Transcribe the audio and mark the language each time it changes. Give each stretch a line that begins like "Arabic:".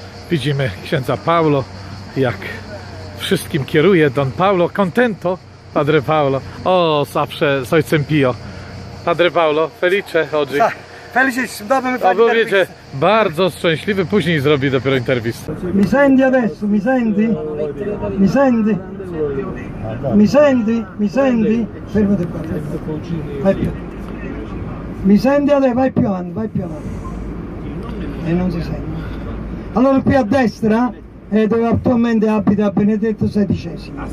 Polish: Widzimy księdza Paolo, jak wszystkim kieruje Don Paolo.
Italian: Contento,
Polish: Padre Paolo. O, zawsze z ojcem Pio.
Italian: Padre Paolo, felice oggi. Felice,
Polish: dobry pan. A wiecie, bardzo szczęśliwy, później zrobi dopiero interwista.
Italian: Mi senti adesso, mi senti? Mi senti? Mi senti? Mi senti? Fermati qua. Vai più. Mi senti adesso, vai più avanti, vai più avanti. E non si sente. Allora qui a destra è dove attualmente abita Benedetto XVI.